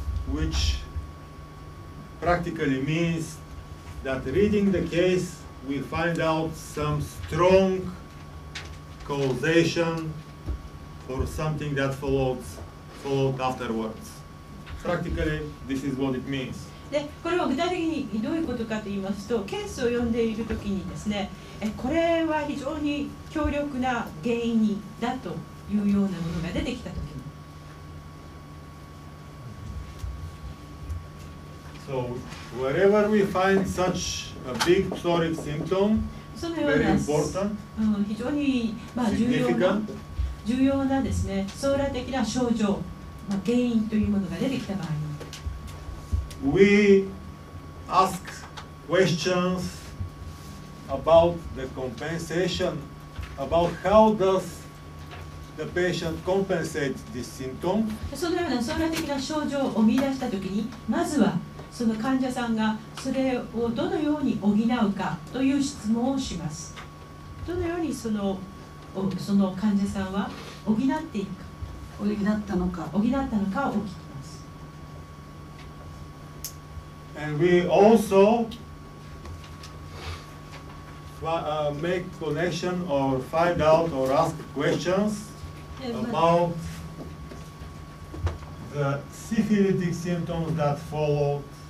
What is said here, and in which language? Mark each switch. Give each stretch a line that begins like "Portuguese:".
English: Which practically means that reading the case, we find out some strong causation for something that followed afterwards. Practically, this is what it means.
Japanese: で、これは具体的にどういうことかと言いますと、ケースを読んでいるときにですね、これは非常に強力な原因だというようなものが出てきたとき。
English: So wherever we find such a big psoric symptom, very important,
Japanese: 非常に、まあ、重要なですね、総ら的な症状、まあ、原因というものが出てきた場合、
English: we ask questions about the compensation, about how does the patient compensate this symptom.
Japanese: そのような総ら的な症状を見出したときに、まずはその患者さんがそれをどのように補うかという質問をします。どのようにその患者さんは補っていくか、補ったのか、補ったのかを聞きます。
English: And we also make connection or find out or ask questions about the syphilitic symptoms that follow